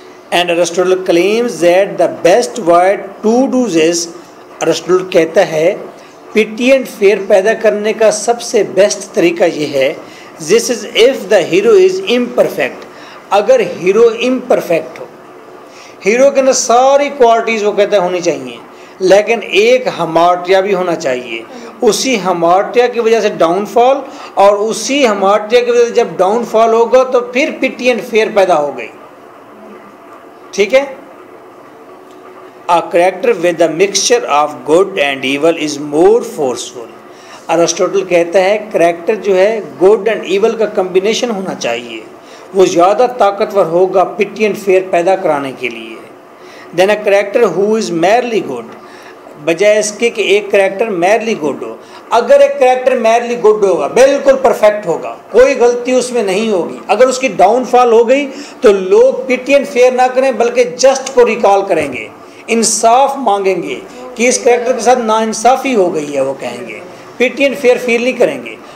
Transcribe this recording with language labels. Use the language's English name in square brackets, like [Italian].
[English] and Aristotle claims that the best wide to those is, [Urdu] Aristotle کہتا ہے پیٹی and fair پیدا کرنے کا سب سے بیسٹ طریقہ یہ ہے، [English] this is if the hero is imperfect, [Urdu] اگر ہیرو امپرفیکٹ ہو، ہیرو کے اندر ساری کوالٹیز وہ کہتا ہے ہونی چاہیے، لیکن ایک ہمارٹیا بھی ہونا چاہیے، اسی ہمارٹیا کی وجہ سے ڈاؤن فال، اور اسی ہمارٹیا کی وجہ سے جب ڈاؤن فال ہوگا تو پھر پیٹی اینڈ فیئر پیدا ہو گئی. ٹھیک ہے. [English] A character with a mixture of good and evil is more forceful. [Urdu] Aristotle کہتا ہے character جو ہے good and evil کا combination ہونا چاہیے، وہ زیادہ طاقتور ہوگا pity and fear پیدا کرانے کے لیے. [English] Then a character who is merely good، [Urdu] بجائے اس کے کہ ایک character merely good ہو، اگر ایک character merely good ہوگا بالکل perfect ہوگا، کوئی غلطی اس میں نہیں ہوگی، اگر اس کی ڈاؤن فال ہو گئی تو لوگ pity and fear نہ کریں بلکہ جسٹ کو ریکال کریں گے، انصاف مانگیں گے کہ اس کریکٹر کے ساتھ ناانصافی ہو گئی ہے، وہ کہیں گے پیٹی اینڈ فیئر فیل نہیں کریں گے.